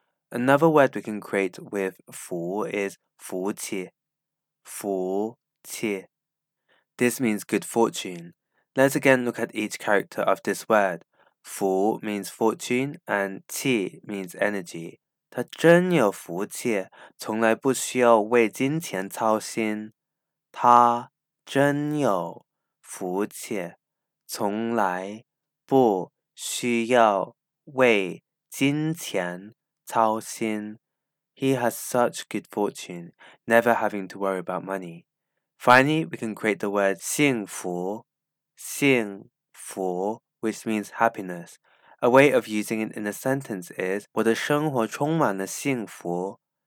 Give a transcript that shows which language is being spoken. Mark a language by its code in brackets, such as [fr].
[en] Another word we can create with 福 is 福气。 [zh] 福气。 [en] This means good fortune. Let's again look at each character of this word. 福 means fortune and 气 means energy. [zh] 他真有福气,从来不需要为金钱操心。他真有福气,从来不需要为金钱操心。 [en] He has such good fortune, never having to worry about money. Finally, we can create the word 幸福, 幸福, which means happiness. A way of using it in a sentence is [zh] 我的生活充满了幸福。